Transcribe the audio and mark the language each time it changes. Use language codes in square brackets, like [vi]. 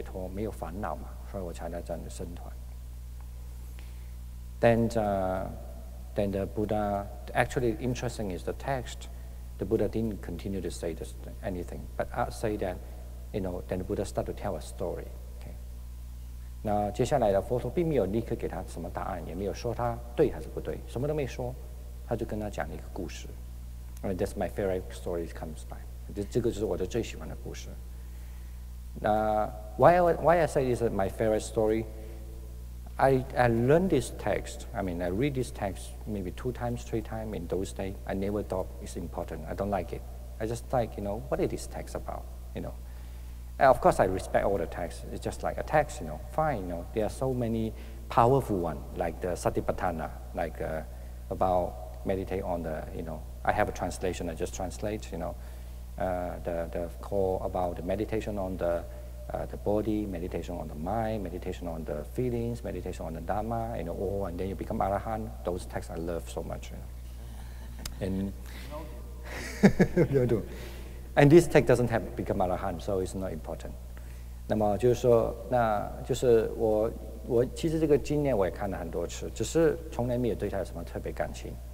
[zh] 那当然他的问答就说，就是我要让我自己没有，就是能解脱，没有烦恼嘛，所以我才来这样的僧团。 [en] Then the Buddha, actually interesting is the text, the Buddha didn't continue to say this, anything, but I'll say that, then the Buddha started to tell a story. Okay. [zh] 那接下来的佛陀并没有立刻给他什么答案，也没有说他对还是不对，什么都没说，他就跟他讲了一个故事。 [en] That's my favorite story comes by. [zh] 这个就是我的最喜欢的故事。 [en] Why I say this is my favorite story, I learned this text. I mean, I read this text maybe two times, three times in those days. I never thought it's important. I don't like it. I just like, you know, what is this text about? You know. And of course, I respect all the texts. It's just like a text, you know. Fine, you know. There are so many powerful ones, like the Satipatthana, like about meditate on the, you know. I have a translation. I just translate, you know. The call about the meditation on the body, meditation on the mind, meditation on the feelings, meditation on the Dhamma, you know, all, and then you become Arahant. Those texts I love so much. You know. And and this text doesn't have become Arahant, so it's not important. [zh] 那么就是说，那就是我其实这个经呢，我也看了很多次，只是从来没有对它有什么特别感情。